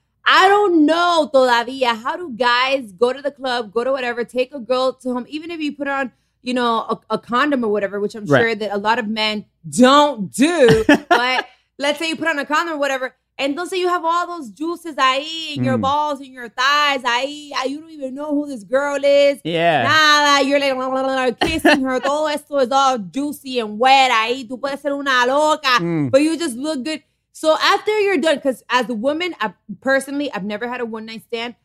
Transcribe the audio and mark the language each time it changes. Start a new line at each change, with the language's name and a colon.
English: I don't know
Spanish: todavía
English: how do guys go to the club, go to whatever, take a girl to home, even if you put on, you know, a condom or whatever, which I'm sure that a lot of men don't do. But let's say you put on a condom or whatever, and let's say you have all those juices
Spanish: ahí
English: in your balls and your thighs, you don't even know who this girl is. Yeah.
Spanish: Nada,
English: you're like kissing her.
Spanish: Todo esto es
English: all juicy and wet
Spanish: ahí. Tú puedes ser una loca. Mm.
English: But you just look good. So after you're done, because as a woman, I've never had a one-night stand.